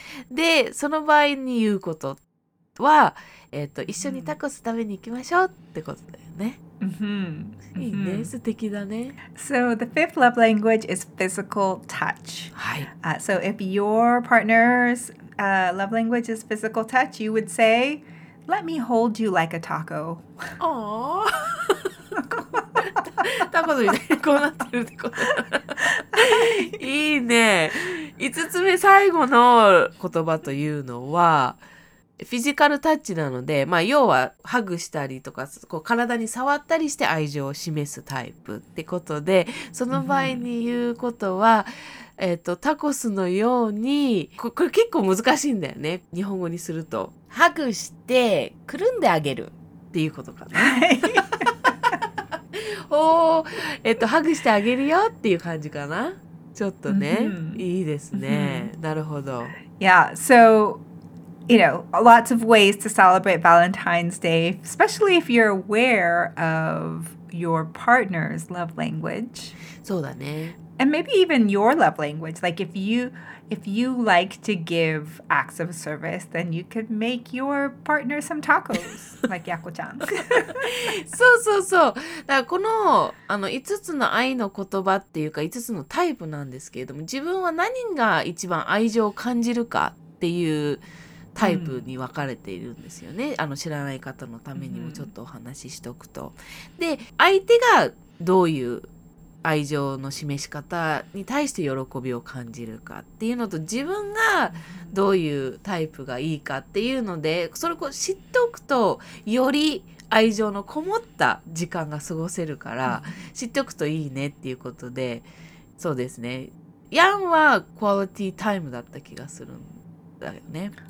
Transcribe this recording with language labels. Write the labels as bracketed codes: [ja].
[ja] で、その場合に言うことは、一緒にタコス食べに行きましょうってことだよね。 Mm-hmm. いいね、素敵だね。 [en] So the fifth love language is physical touch. [ja] はい。 [en] So if your partner's love language is physical touch, you would say,Let me hold you like a taco. Aww. [ja] タコスみたいにこうなってるってこと。いいね。五つ目最後の言葉というのはフィジカルタッチなので、まあ要はハグしたりとか、こう体に触ったりして愛情を示すタイプってことで、その場合に言うことは、タコスのようにこれ結構難しいんだよね、日本語にすると。ハグしてくるんであげるっていうことかな。はい。おお、ハグしてあげるよっていう感じかな。ちょっとね、mm-hmm. いいですね。なるほど。 [en] Yeah, so you know, lots of ways to celebrate Valentine's Day, especially if you're aware of your partner's love language. [ja] そうだね。 [en] And maybe even your love language. Like if you like to give acts of service, then you could make your partner some tacos, like Yako-chan. [ja] そうそうそう。だからこの、5つの愛の言葉っていうか5つのタイプなんですけれども、自分は何が一番愛情を感じるかっていうタイプに分かれているんですよね。知らない方のためにもちょっとお話ししておくと。で、相手がどういう愛情の示し方に対して喜びを感じるかっていうのと、自分がどういうタイプがいいかっていうので、それを知っておくとより愛情のこもった時間が過ごせるから、知っておくといいねっていうことで、そうですね、ヤンはクオリティタイムだった気がするんだよね。